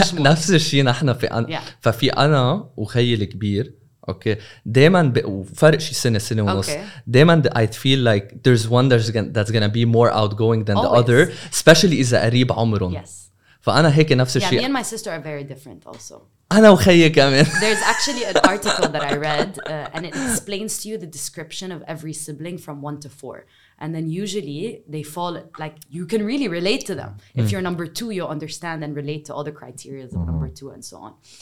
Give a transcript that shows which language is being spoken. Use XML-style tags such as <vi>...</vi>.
<ar>نفس الشيء نحن في ففي أنا وخي الكبير.</ar> <en>Okay.</en> <ar>Daiman فرق شي سنة سنة ونص.</ar> <en>Daiman I feel like there's one that's gonna be more outgoing than always. The other, especially</en> <ar>إذا قريب عمرهم.</ar> <en>Yes.</en> <ar>فأنا هيك نفس الشيء.</ar> <en>Yeah, me and my sister are very different also.</en> <ar>أنا وخيي كمان.</ar> <en>There's actually an article that I read and it explains to you the description of every sibling from 1 to 4. And then usually they fall, like you can really relate to them. If you're number two, you'll understand and relate to all the criteria of number two and so on.</en>